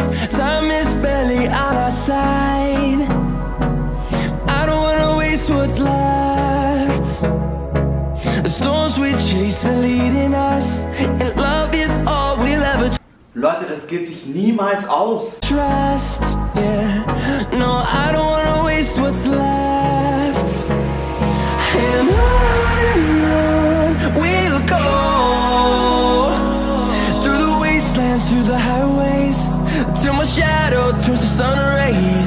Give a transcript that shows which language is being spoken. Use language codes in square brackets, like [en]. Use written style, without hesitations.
[en] Time is barely on our side. I don't wanna waste what's left. Storms we chase are leading us, and love is all we'll ever. [de] Leute, das geht sich niemals aus. [en] Trust, yeah. No, I don't wanna waste what's left. And we'll go through the wastelands, through the highways, till my shadow turns to sun rays.